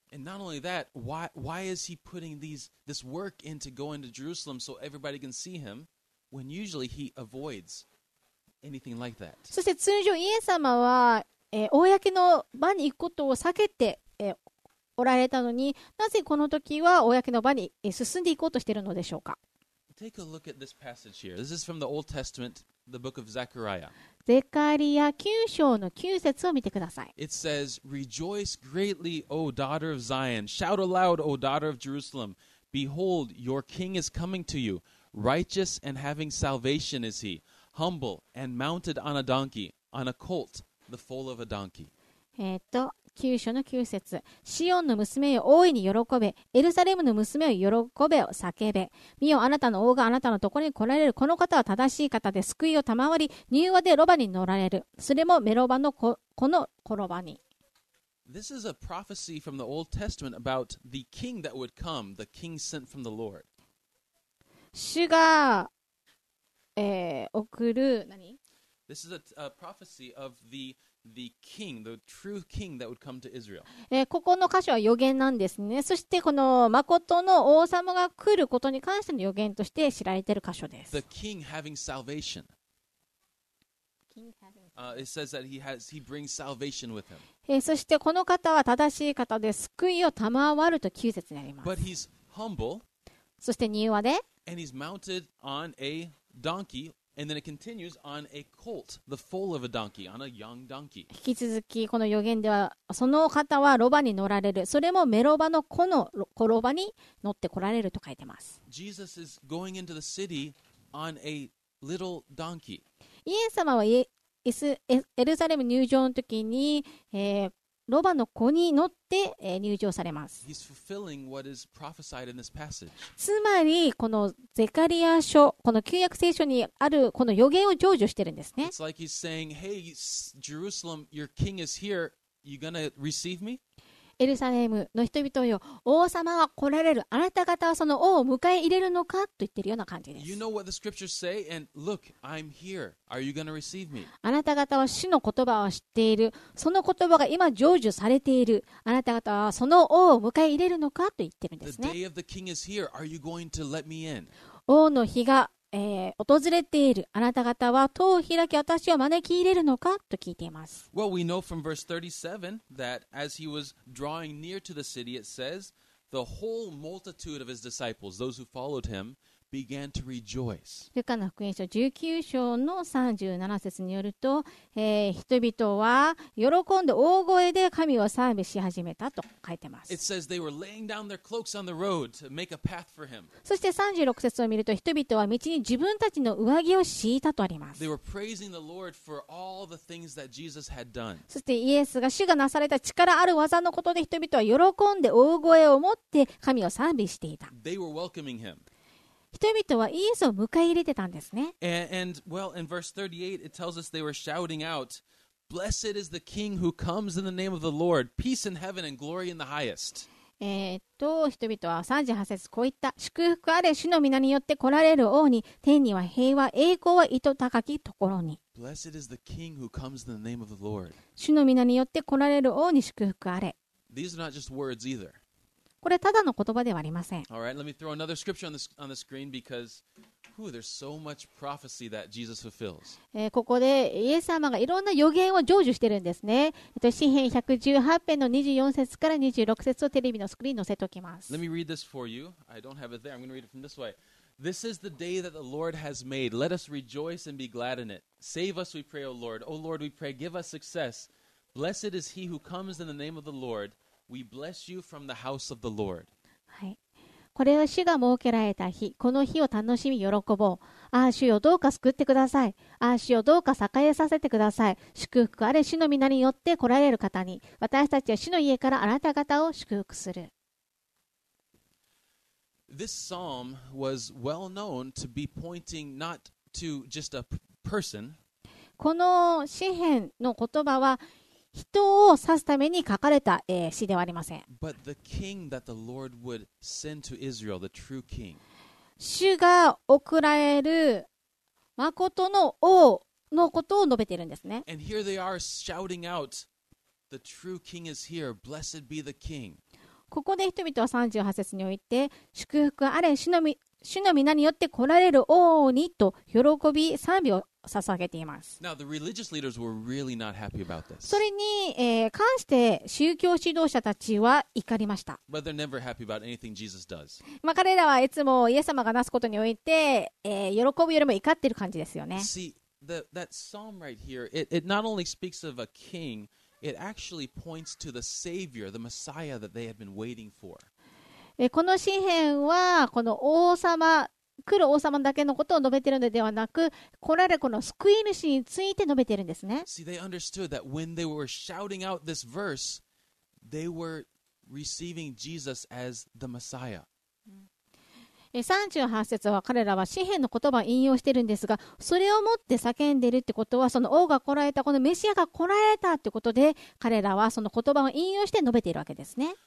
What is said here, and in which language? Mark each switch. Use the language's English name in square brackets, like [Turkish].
[English] And not only that, why is he putting this work into going to Jerusalem so everybody can see him when usually he avoids anything like that? [Japanese] そして通常イエス様は、公の場に行くことを避けて、おられたのに、なぜこの時は公の場に、進んでいこうとしているのでしょうか。 [English] Take a look at this passage here. This is from the Old Testament, the book of Zechariah. [Japanese] ゼカリア9章の9節を見てください。 [English] It says, Rejoice greatly, O daughter of Zion. Shout aloud, O daughter of Jerusalem. Behold, your king is coming to you. Righteous and having salvation is he. Humble and mounted on a donkey, on a colt, the foal of a donkey. [Japanese] 9章の9節、シオンの娘よ大いに喜べ、エルサレムの娘よ喜べを叫べ、見よ、あなたの王があなたのところに来られる、この方は正しい方で救いを賜り、柔和でロバに乗られる、それもメロバの子の子ロバに。 [English] This is a prophecy from the Old Testament about the king that would come, the king sent from the Lord. [Japanese] 主が、送る、何？ [English] This is a prophecy of the king, the true king that would come to Israel. [Japanese] ここの箇所は予言なんですね。そしてこの真の王様が来ることに関しての予言として知られている箇所です。 [English] The king having salvation. It says that he brings salvation with him. [Japanese] そしてこの方は正しい方で救いを賜ると9節になります。 [English] But he's humble. [Japanese] そして柔和で。 [English] And he's mounted on a donkey. And then it continues on a colt, the foal of a donkey, on a young donkey. [Japanese] 引き続きこの予言ではその方はロバに乗られる、それもメロバの子の子ロバに乗って来られると書いてます。 [English] Jesus is going into the city on a little donkey. [Japanese] イエス様はエルサレム入場の時に、ロバの子に乗って、入場されます。 [English] He's fulfilling what is prophesied in this passage. [Japanese] つまりこのゼカリア書、この旧約聖書にあるこの予言を成就してるんですね。 [English] It's like he's saying, Hey, Jerusalem, your king is here. You gonna receive me? [Japanese] エルサレムの人々よ、王様は来られる、あなた方はその王を迎え入れるのかと言ってるような感じです。 [English] You know what the scriptures say, and look, I'm here. Are you gonna receive me? [Japanese] あなた方は主の言葉を知っている、その言葉が今成就されている、あなた方はその王を迎え入れるのかと言ってるんですね。 [English] The day of the king is here. Are you going to let me in? [Japanese] 王の日が、訪れている、あなた方は戸を開き私を招き入れるのかと聞いています。 [English] Well, we know from verse 37 that as he was drawing near to the city, it says the whole multitude of his disciples, those who followed him, began to rejoice. [Japanese] ルカの福音書19章の37節によると、人々は喜んで大声で神を賛美し始めたと書いてます。 [English] It says they were laying down their cloaks on the road to make a path for him. [Japanese] そして36節を見ると人々は道に自分たちの上着を敷いたとあります。 [English] They were praising the Lord for all the things that Jesus had done. [Japanese] そしてイエスが主がなされた力ある技のことで人々は喜んで大声を持って神を賛美していた。 [English] They were welcoming him. [Japanese] 人々はイエスを迎え入れてたんですね。 [English] And well, in verse 38, it tells us they were shouting out, "Blessed is the King who comes in the name of the Lord. Peace in heaven and glory in the highest." [Japanese] 人々は38節こういった祝福あれ主の御名によって来られる王に天には平和栄光は糸高きところに。 [English] Blessed is the King who comes in the name of the Lord. [Japanese] 主の御名によって来られる王に祝福あれ。 [English] These are not just words either. [Japanese] これただの言葉ではありません。 [English] All right, let me throw another scripture on the screen because, there's so much prophecy that Jesus fulfills. [Japanese] ここでイエス様がいろんな予言を成就してるんですね。詩篇118編の24節から26節をテレビのスクリーンに載せておきます。 [English] Let me read this for you. I don't have it there. I'm going to read it from this way. This is the day that the Lord has made. Let us rejoice and be glad in it. Save us, we pray, O Lord. O Lord, we pray, give us success. Blessed is he who comes in the name of the Lord. We bless you from the house of the Lord. [Japanese] はい、これは主が設けられた日、この日を楽しみ喜ぼう。ああ、主よどうか救ってください。ああ、主よどうか栄えさせてください。祝福あれ主の御名によって来られる方に、私たちは主の家からあなた方を祝福する。 [English] This psalm was well known to be pointing not to just a person. [Japanese] この詩篇の言葉は人を指すために書かれた、詩ではありません。 [English] But the king that the Lord would send to Israel, the true king. [Japanese] 主が送られる真の王のことを述べているんですね。 [English] And here they are shouting out, the true king is here, blessed be the king. [Japanese] ここで人々は38節において、祝福あれ主の皆によって来られる王にと喜び賛美を捧げています。 [English] Now, the religious leaders were really not happy about this. [Japanese] それに、関して宗教指導者たちは怒りました。 [English] But they're never happy about anything Jesus does. [Japanese] まあ彼らはいつもイエス様がなすことにおいて、喜ぶよりも怒っている感じですよね。 [English] See, that psalm right here, it not only speaks of a king, it actually points to the Savior, the Messiah that they had been waiting for. [Japanese] この詩篇はこの王様、来る王様だけのことを述べているのではなく、来られるこの救い主について述べているんですね。 [English] See, they understood that when they were shouting out this verse, they were receiving Jesus as the Messiah. [Japanese] 38節は彼らは詩篇の言葉を引用しているんですが、それをもって叫んでいるってことは、その王が来られた、このメシアが来られたってことで、彼らはその言葉を引用して述べているわけですね。